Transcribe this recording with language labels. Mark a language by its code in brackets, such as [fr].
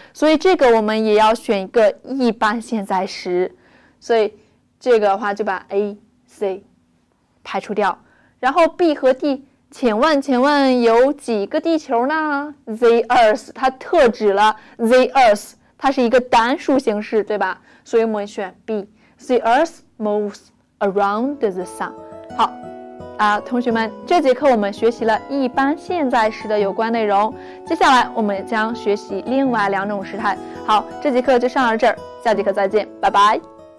[zh] 所以这个我们也要选一个一般现在时，所以这个的话就把 A、C 排除掉。然后 B 和 D， 请问有几个地球呢？ The Earth 它特指了 The Earth， 它是一个单数形式，对吧？所以我们选 [en] B， The Earth moves around the sun。 [zh] 好啊，同学们，这节课我们学习了一般现在时的有关内容，接下来我们将学习另外两种时态。好，这节课就上到这儿，下节课再见，拜拜。